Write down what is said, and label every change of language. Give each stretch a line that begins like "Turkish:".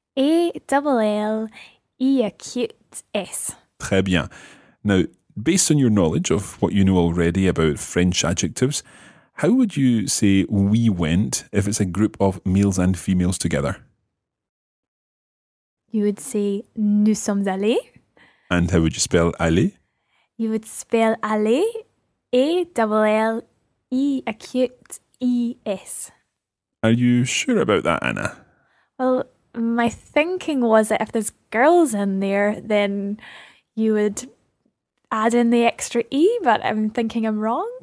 English: A-L-L-E acute S.
French: Très bien.
English: Now, based on your knowledge of what you know already about French adjectives, how would you say we went if it's a group of males and females together? You would say
French: nous sommes allés.
English: And how would you spell aller? You would spell aller, A-L-L-E acute E-S. Are you sure about that, Anna? Well, my thinking was that if there's girls in there, then you would add in the extra E, but I'm thinking I'm wrong.